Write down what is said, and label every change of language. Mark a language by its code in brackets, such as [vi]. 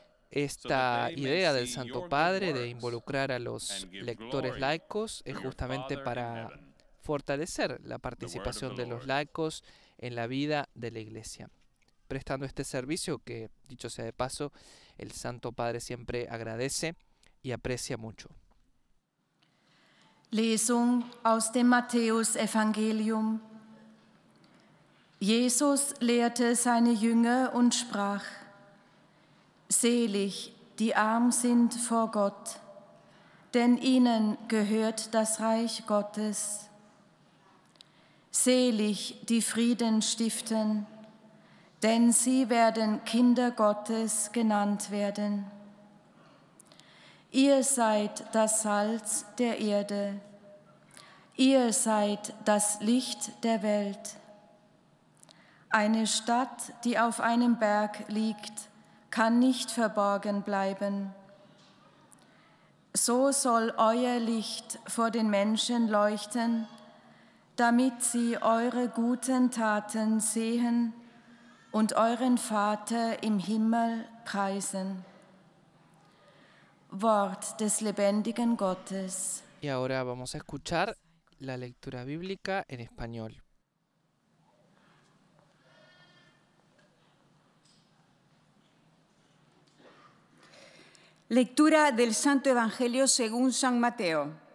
[es] Esta idea del Santo Padre de involucrar a los lectores laicos es justamente para fortalecer la participación de los laicos en la vida de la Iglesia, prestando este servicio que, dicho sea de paso, el Santo Padre siempre agradece y aprecia mucho. [de] Lesung aus dem Matthäus Evangelium. Jesus lehrte seine Jünger und sprach: Selig, die arm sind vor Gott, denn ihnen gehört das Reich Gottes. Selig, die Frieden stiften, denn sie werden Kinder Gottes genannt werden. Ihr seid das Salz der Erde. Ihr seid das Licht der Welt. Eine Stadt, die auf einem Berg liegt, kann nicht verborgen bleiben. So soll euer Licht vor den Menschen leuchten, damit sie eure guten Taten sehen und euren Vater im Himmel preisen. Wort des lebendigen Gottes. [es] Y ahora vamos a escuchar la lectura bíblica en español. Lectura del Santo Evangelio según San Mateo.